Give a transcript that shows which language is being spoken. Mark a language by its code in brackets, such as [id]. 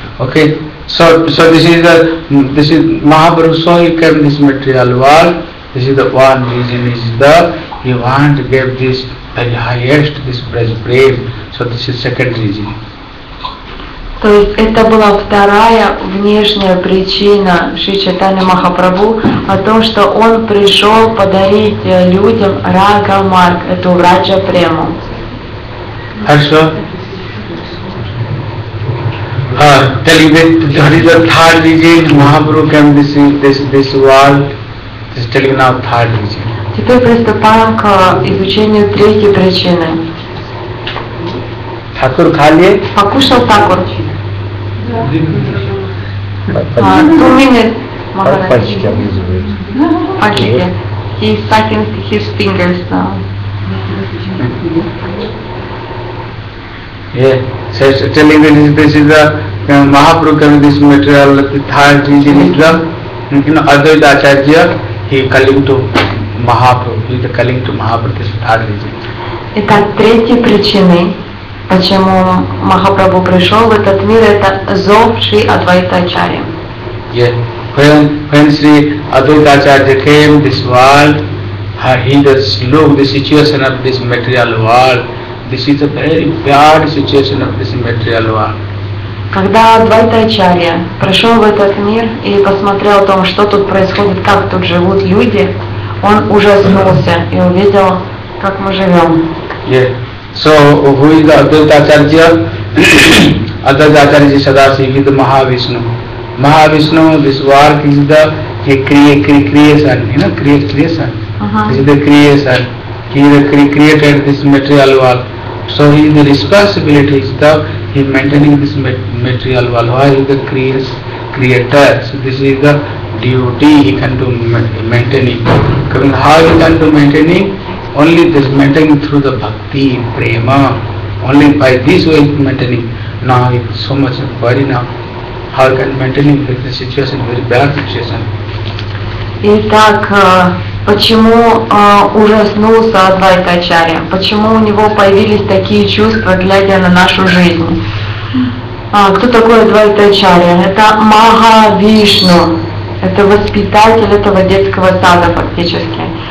[en] Okay, so this is Mahaprabhu saw he came this material world. This is the one reason is the he want to give this very highest this praise. So this is second reason. [ru] То есть это была вторая внешняя причина Шри Чайтанья Махапрабху о том, что он пришел подарить людям Рага Марг, эту Враджа Прему. Хорошо. [en] Tell you that there is a third reason Mahaprabhu came to this world. Just tell you now third reason. [ru] Теперь приступаем к изучению третьей причины. [bn] Thakur khali? [ru] Покушал Thakur. [en] Two minutes, Maharaj. He's sucking his fingers now. Yeah, so telling me this is a Mahaprabhu came this material, the third reason is the, you know, Advaita Acharya, he calling to Mahaprabhu, he is calling to Mahaprabhu, this is third reason. [ru] Итак, третьей причиной, почему Махапрабху пришел в этот мир, это зов Шри Адвайта Ачарьи. [en] Yeah, when Shri Advaita Acharya came this world, he just looked the situation of this material world. This is a very bad situation of this material world. [ru] Когда Адвайта Ачарья пришел в этот мир и посмотрел о том, что тут происходит, как тут живут люди, он ужаснулся и увидел, как мы живем. [en] Yeah. So who is the Advaita Acharya? Advaita Acharya is Sadashiva, the Mahavishnu. Mahavishnu, this work is the creation, you know, creation. Uh-huh. This is the creation. He created this material world. So he is the responsibility is the he maintaining this material world. Why he is the creator? So this is the duty he can do maintaining. I mean, how he can do maintaining? Only this maintaining through the bhakti, prema. Only by this way maintaining. Now it's so much worry now. How can maintaining with the situation, very bad situation? [ru] Итак, почему ужаснулся Адвайта Ачарья? Почему у него появились такие чувства, глядя на нашу жизнь? Кто такой Адвайта Ачарья? Это Махавишну. Это воспитатель этого детского сада фактически.